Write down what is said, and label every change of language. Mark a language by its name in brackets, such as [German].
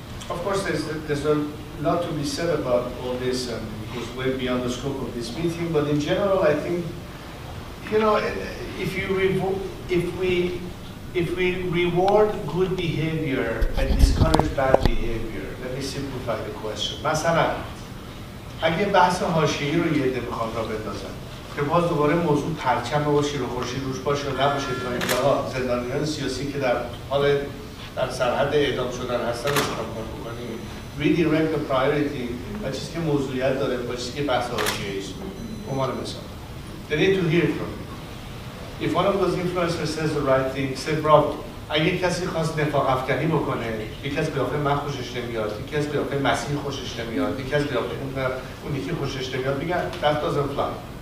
[English] Of course, there's a lot to be said about all this and the goes way beyond the scope of this meeting, but in general, I think, you know, if we reward good behavior and discourage bad behavior, let me simplify the question. [Persian] مثلا اگه بحث حاشیه‌ای رو یه دفعه بخوام راه بندازم که باز دوباره موضوع پرچم باشه رو خورشید روش باشه نباشه تا اینجا زندانیان سیاسی که در حال در سرحد اعدام شدن هستن رو شما کار بکنیم [English] redirect the priority [Persian] و چیزی که موضوعیت داره با چیزی که بحث حاشیه‌ای است عمر مثلا [English] they need to hear from me. If one of those influencers says the right thing, say bravo. [Persian] اگه کسی خواست نفاق افکنی بکنه، یکی از قیافه من خوشش نمیاد، یکی از قیافه مسیح خوشش نمیاد، یکی از قیافه اونی که خوشش نمیاد، بگه [English] that doesn't fly.